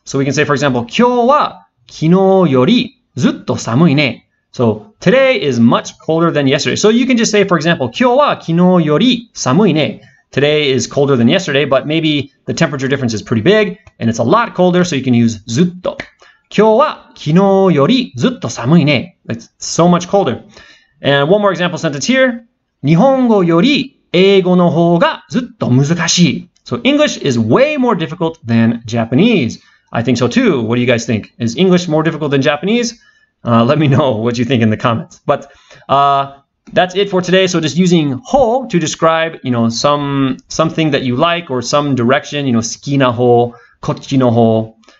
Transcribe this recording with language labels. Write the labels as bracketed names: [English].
[English] So we can say, for example, [Japanese] 今日は昨日よりずっと寒いね。 [English] So today is much colder than yesterday. So you can just say, for example, [Japanese] 今日は昨日より寒いね。 [English] Today is colder than yesterday, but maybe the temperature difference is pretty big and it's a lot colder, so you can use ずっと. [Japanese] 今日は昨日よりずっと寒いね。 [English] It's so much colder. And one more example sentence here. [Japanese] 日本語より英語の方がずっと難しい。 [English] So English is way more difficult than Japanese. I think so too. What do you guys think? Is English more difficult than Japanese? Let me know what you think in the comments. But that's it for today. So just using ho to describe, you know, something that you like or some direction, you know, [Japanese] 好きな方、こっちの方。